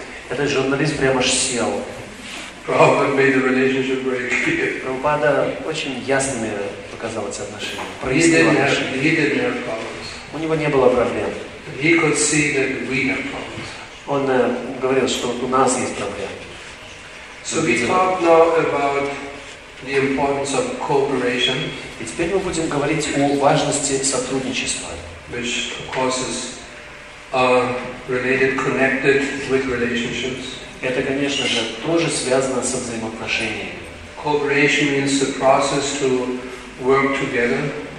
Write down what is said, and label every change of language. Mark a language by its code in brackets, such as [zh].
[ru] Этот журналист прямо аж сел. [en] Prabhupada made the relationship very clear. [ru] Прабхупада очень ясными показал эти отношения. [en] He didn't have problems. [ru] У него не было проблем. [en] He could see that we have problems. [ru] Он говорил, что у нас есть проблемы. [en] So we talk now about the importance of cooperation. [ru] И теперь мы будем говорить о важности сотрудничества. [en] Which of course is related, connected with relationships. [ru] Это, конечно же, тоже связано со взаимоотношениями. [en] Cooperation means the process to work together.